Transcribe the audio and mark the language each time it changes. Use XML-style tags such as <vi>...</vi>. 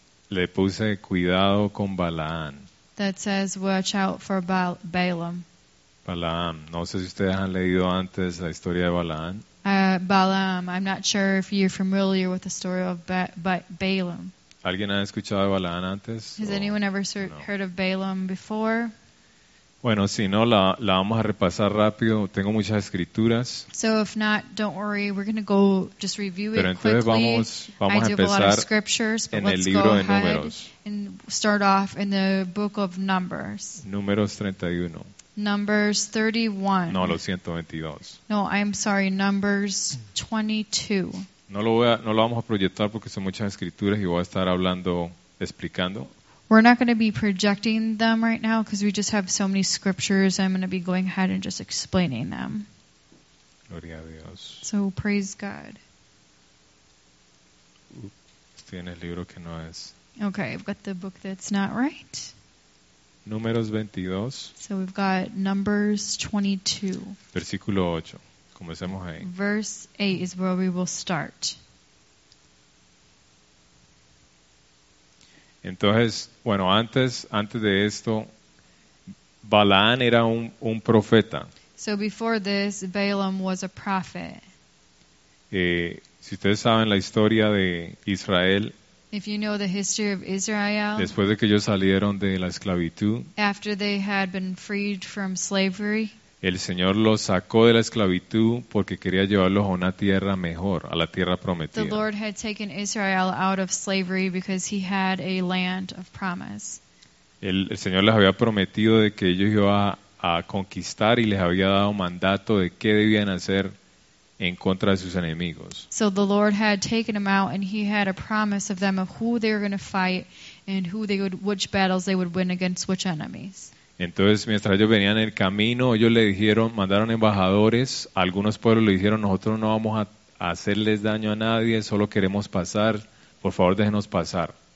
<es>Le puse cuidado con Balaán.</es> <en>That says, watch out for Balaam.</en> <es>Balaam, no sé si ustedes han leído antes la historia de Balaam.</es> <en>Balaam, I'm not sure if you're familiar with the story of Balaam.</en> <es>¿Alguien ha escuchado de Balaam antes?</es> <en>Has anyone ever heard of Balaam before?</en> <es>Bueno, si no, la vamos a repasar rápido. Tengo muchas escrituras.</es> <en>So if not, don't worry. We're going to go just review it</en> <es>Pero entonces vamos a empezar en el libro de Números.</es> <en>And start off in the book of Numbers.</en> <es>Números 31.</es> <en>Numbers 31.</en> <es>No, lo siento, 22.</es> <en>No, I'm sorry, Numbers 22.</en> <es>No lo vamos a proyectar porque son muchas escrituras y voy a estar hablando, explicando.</es> <en>We're not going to be projecting them right now because we just have so many scriptures. I'm going to be going ahead and just explaining them.</en> <es>Gloria a Dios.</es> <en>So praise God.</en> <es>Estoy en el libro que no es.</es> <en>Okay, I've got the book that's not right.</en> <es>Números 22.</es> <en>So we've got Numbers 22.</en> <es>Versículo 8. Comencemos ahí.</es> <en>Verse 8 is where we will start.</en> <es>Entonces, bueno, antes de esto, Balaán era un profeta.</es> <en>So before this, Balaam was a prophet.</en> <es>Si ustedes saben la historia de Israel.</es> <en>If you know the history of Israel,</en> <es>después de que ellos salieron de la esclavitud,</es> <en>after they had been freed from slavery,</en> <es>el Señor los sacó de la esclavitud porque quería llevarlos a una tierra mejor, a la tierra prometida.</es> <en>The Lord had taken Israel out of slavery because he had a land of promise.</en> <es>El Señor les había prometido de que ellos iban a conquistar y les había dado mandato de qué debían hacer en contra de sus enemigos.</es> <en>So the Lord had taken them out and he had a promise of them of who they were going to fight and who they would which battles they would win against which enemies.</en> <es>Entonces, mientras ellos venían en el camino, ellos le dijeron, mandaron embajadores, a algunos pueblos le dijeron, nosotros no vamos a hacerles daño a nadie, solo queremos pasar, por favor, déjenos pasar.</es>